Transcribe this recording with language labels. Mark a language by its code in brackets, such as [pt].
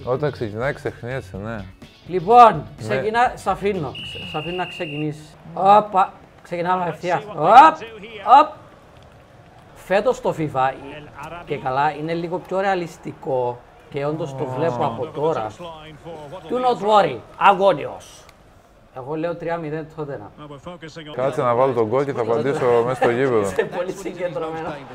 [el] Όταν ξεκινάει ξεχνιέσαι, ναι. Λοιπόν, ξεκινά, σ' αφήνω. Σ' αφήνω να ξεκινήσει. Ωπα, ξεκινάμε ευθεία. Ωπ, ωπ. Φέτος το FIFA και καλά είναι λίγο πιο ρεαλιστικό και όντως το βλέπω από τώρα. [en] Do not worry, [el] αγώνιος. Εγώ λέω 3-0 τότε να. Κάτσε να βάλω τον γκολ και θα απαντήσω μέσα στο γήπεδο. Είσαι πολύ συγκεντρωμένο.